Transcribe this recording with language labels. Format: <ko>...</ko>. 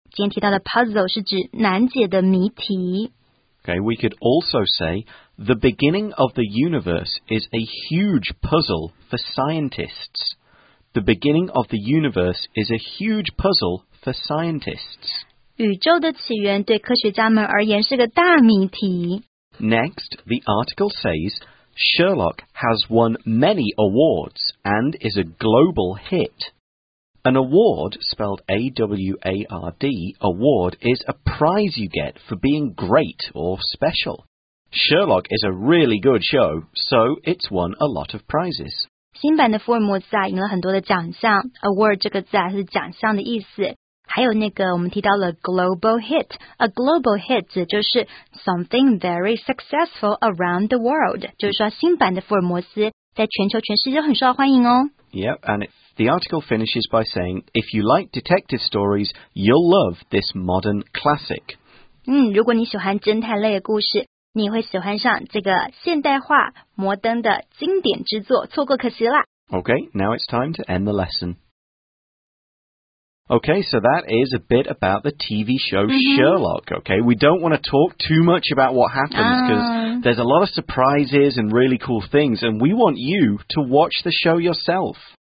<zh>今天提到的 puzzle 是指难解的谜题。</zh> <en>Okay, we could also say the beginning of the universe is a huge puzzle for scientists. The beginning of the universe is a huge puzzle for scientists.</en> <zh>宇宙的起源对科学家们而言是个大谜题。</zh> <en>Next, the article says, Sherlock has won many awards and is a global hit. An award, spelled A-W-A-R-D, award is a prize you get for being great or special. Sherlock is a really good show, so it's won a lot of prizes.</en> <zh>新版的福尔摩斯啊，赢了很多的奖项。 Award 这个字啊，是奖项的意思。还有那个我们提到了 global hit, a global hit 指就是</zh> <en>something very successful around the world,</en> <zh>就是说新版的福尔摩斯在全球全世界很受到欢迎哦。</zh> <en>Yep, and the article finishes by saying, if you like detective stories, you'll love this modern classic.</en> <zh>如果你喜欢侦探类的故事，你会喜欢上这个现代化摩登的经典之作，错过可惜啦。</zh> <en>Okay, now it's time to end the lesson. Okay, so that is a bit about the TV show Sherlock, okay? We don't want to talk too much about what happens because there's a lot of surprises and really cool things, and we want you to watch the show yourself.</en>